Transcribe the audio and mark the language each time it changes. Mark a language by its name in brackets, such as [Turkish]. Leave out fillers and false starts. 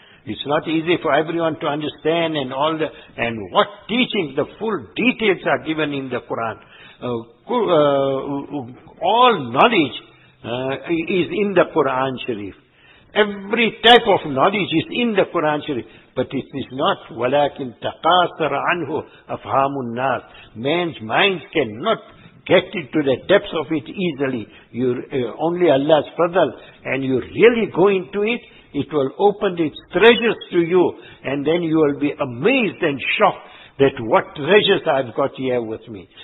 [English] It's not easy for everyone to understand and all the... And what teachings, the full details are given in the Quran. All knowledge is in the Quran Sharif. Every type of knowledge is in the Quran Sharif. But it is not [Arabic] وَلَكِنْ تَقَاسَرَ عَنْهُ أَفْهَامُ النَّاسِ. [English] Man's mind cannot get into the depths of it easily. Only Allah's fadal. And you really go into it, it will open its treasures to you. And then you will be amazed and shocked that what treasures I've got here with me.